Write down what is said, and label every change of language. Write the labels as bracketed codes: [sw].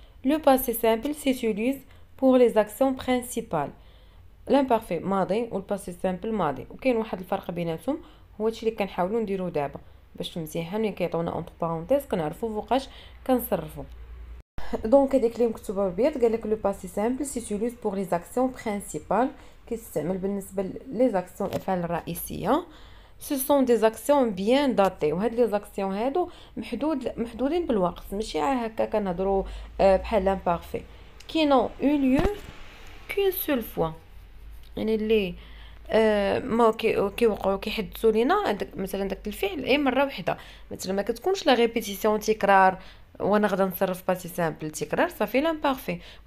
[ar] لو باسي سامبل سي تيليز بور لي زاكسيون برينسيبال، لامبارفي ماضي والباسي سامبل ماضي، وكاين واحد الفرق بيناتهم، هو هادشي اللي كنحاولو نديرو دابا باش مزيان هاني كيعطونا اونتر بارونتيز كنعرفو فوقاش كنصرفو. دونك هذيك اللي مكتوبه بالبيض قال لك لو باسي سامبل سي تيليز بور لي زاكسيون برينسيبال، كيستعمل بالنسبه لي زاكسيون الافعال الرئيسيه. [fr] Ce sont des actions bien datées. [ar] وهاد لي زاكسيون هادو محدودين بالوقت، ماشي هكا كنهضروا بحال لامبارفي. كي نو او ليو كون سول فوا، يعني اللي ما كيوقعوا كيحدثوا لينا مثلا داك الفعل اي مره وحده، مثلا ما كتكونش لا ريبيتيسيون تكرار وانا غدا نصرف باسي سامبل تكرار صافي لامبارفي.